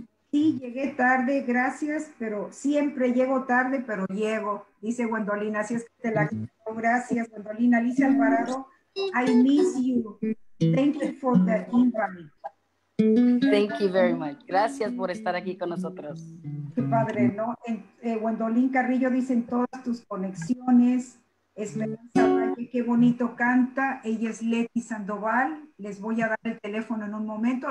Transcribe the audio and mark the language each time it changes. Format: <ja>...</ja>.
<es>Sí, llegué tarde, gracias, pero siempre llego tarde, pero llego, dice Wendolín. Así es que te la quiero. Gracias, Wendolín.</es> <en>Alicia Alvarado, I miss you. Thank you for the invite. Thank you very much.</en> <es>Gracias por estar aquí con nosotros. Qué padre, ¿no? Wendolín Carrillo dice, en todas tus conexiones, Esperanza Valle, qué bonito canta. Ella es Leti Sandoval. Les voy a dar el teléfono en un momento.</es>